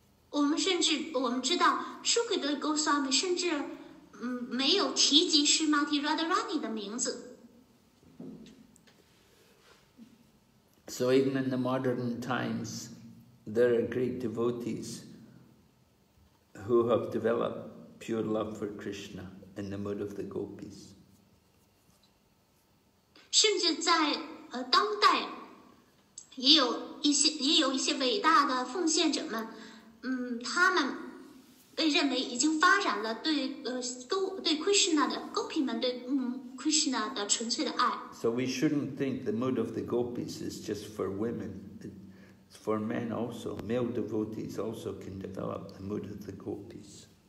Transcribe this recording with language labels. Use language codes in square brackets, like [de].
[zh] 我们知道Sukadeva Goswami 甚至没有提及 Srimati Radharani 的名字。 [en] So even in the modern times, there are great devotees who have developed pure love for Krishna in the mood of the gopis. [zh] 甚至在当代，也有一些伟大的奉献者们，他们被认为已经发展了对Krishna的纯粹的爱。 [en] So we shouldn't think the mood of the gopis is just for women. For men also, male devotees also can develop the mood of the gopis.